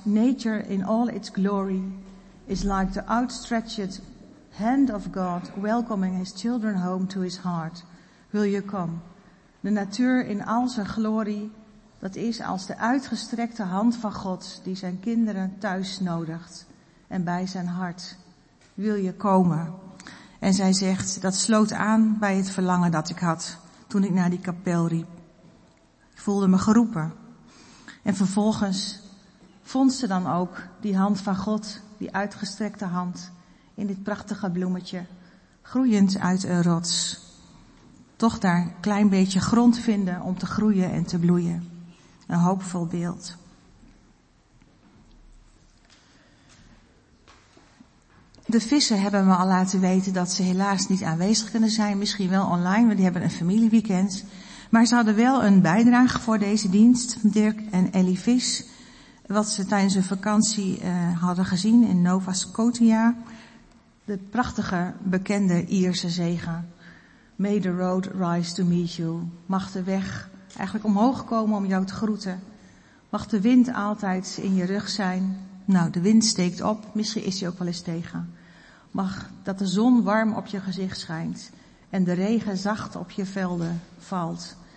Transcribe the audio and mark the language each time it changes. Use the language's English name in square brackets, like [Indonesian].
[English] Nature in all its glory is like the outstretched hand of God welcoming his children home to his heart. Will you come? [Dutch] De natuur in al zijn glorie, dat is als de uitgestrekte hand van God die zijn kinderen thuis nodigt. En bij zijn hart wil je komen. En zij zegt, dat sloot aan bij het verlangen dat ik had toen ik naar die kapel riep. Ik voelde me geroepen. En vervolgens vond ze dan ook die hand van God, die uitgestrekte hand, in dit prachtige bloemetje, groeiend uit een rots. Toch daar een klein beetje grond vinden om te groeien en te bloeien. Een hoopvol beeld. De vissen hebben me al laten weten dat ze helaas niet aanwezig kunnen zijn. Misschien wel online, want die hebben een familieweekend. Maar ze hadden wel een bijdrage voor deze dienst, Dirk en Ellie Vis. Wat ze tijdens hun vakantie hadden gezien in Nova Scotia. De prachtige, bekende Ierse zegen. [English] May the road rise to meet you. [Dutch] Mag de weg eigenlijk omhoog komen om jou te groeten. Mag de wind altijd in je rug zijn. Nou, de wind steekt op, misschien is hij ook wel eens tegen. Mag dat de zon warm op je gezicht schijnt en de regen zacht op je velden valt.